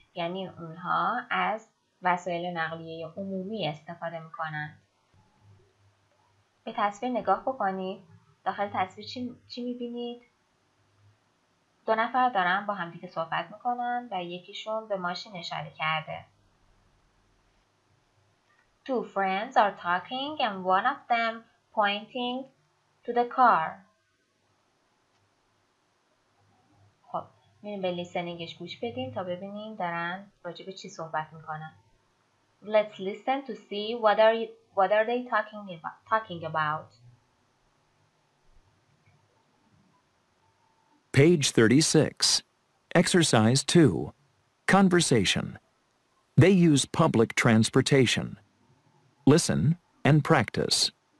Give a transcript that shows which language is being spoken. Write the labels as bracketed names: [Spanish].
[Persian] یعنی اونها از وسایل نقلیه عمومی استفاده میکنن. به تصویر نگاه بکنید. داخل تصویر چی میبینید؟ دو نفر دارن با هم دیگه صحبت میکنن و یکیشون به ماشین اشاره کرده. [English] Two friends are talking and one of them pointing to the car. [Persian] خب میریم به لیسنینگش گوش بدیم تا ببینیم دارن راجع به چی صحبت میکنن. [English] Let's listen to see what are they talking about. Page 36. Exercise 2. Conversation. They use public transportation. Listen and practice.